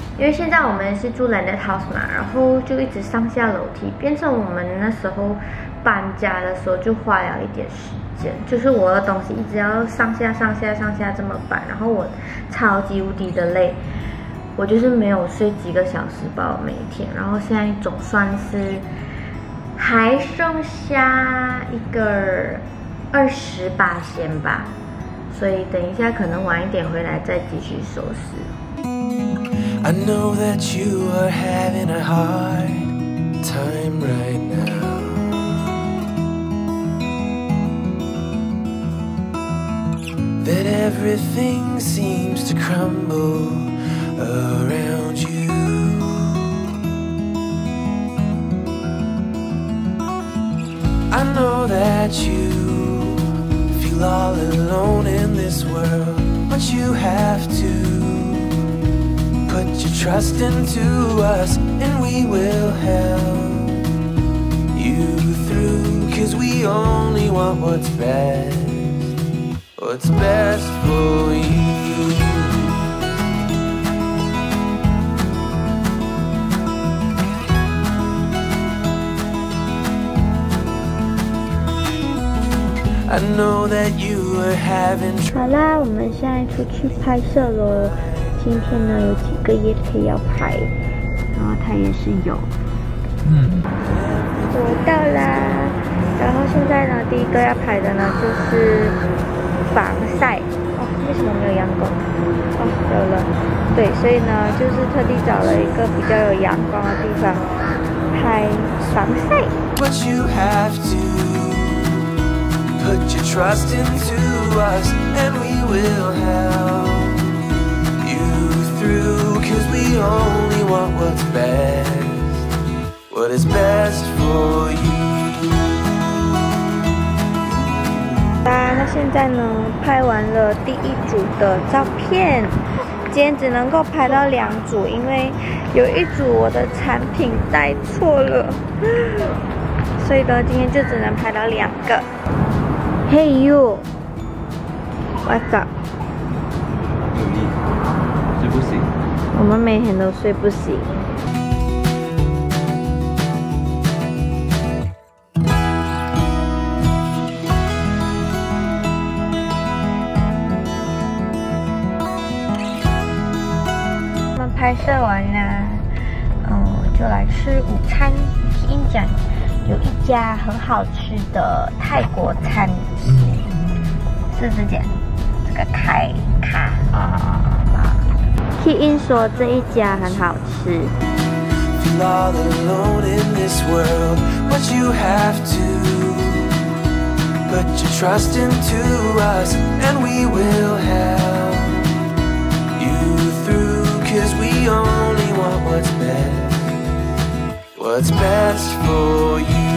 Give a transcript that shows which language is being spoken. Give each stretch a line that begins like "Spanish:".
Chinese: 因为现在我们是住 landed house 嘛，然后就一直上下楼梯，变成我们那时候搬家的时候就花了一点时间，就是我的东西一直要上下上下上下这么搬，然后我超级无敌的累，我就是没有睡几个小时吧，每天。然后现在总算是还剩下一个20%吧，所以等一下可能晚一点回来再继续收拾。
English: I know that you are having a hard time right now. That everything seems to crumble around you. I know that you feel all alone in this world, but you have to put your trust into us, and we will help you through, 'cause we only want what's best. What's best for you? I know that you are having.
Chinese: 好啦，我们现在出去拍摄了。今天呢，有几个夜配要拍，然后他也是有。我到啦。然后现在呢，第一个要拍的呢就是。防晒哦，为什么没有阳光？哦，有了，对，所以呢，就是特地找了一个比较有阳光的地方拍防晒。
English: But you have to put your trust into us, and we will help you through, 'cause we only want what's best, what is best for you.
Chinese: 那现在呢拍完了第一组的照片，今天只能够拍到两组，因为有一组我的产品带错了，所以呢今天就只能拍到两个。
English: Hey you What's up?
Chinese: 有力睡不醒，我们每天都睡不醒。拍摄完啦，就来吃午餐。听讲有一家很好吃的泰国餐厅，是这间，这个泰卡啊。 Key In 说这一家很好吃。
English: Not alone in this world, but you have to put your trust into us, and we will help you through. 'Cause we only want what's best, what's best for you.